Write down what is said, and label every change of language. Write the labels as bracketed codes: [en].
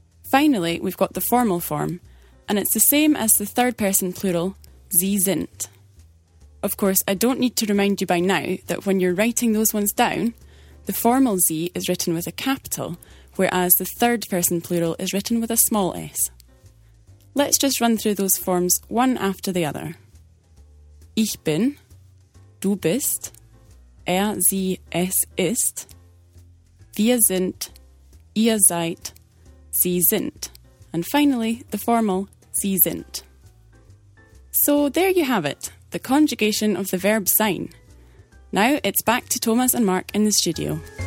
[en] Finally, we've got the formal form, and it's the same as the third person plural, [de] sie sind. [en] Of course, I don't need to remind you by now that when you're writing those ones down, the formal sie is written with a capital, whereas the third person plural is written with a small s. Let's just run through those forms one after the other. [de] Ich bin, du bist, er, sie, es ist, wir sind, ihr seid, sie sind. [en] And finally, the formal, [de] sie sind. [en] So there you have it, the conjugation of the verb sein. Now it's back to Thomas and Mark in the studio.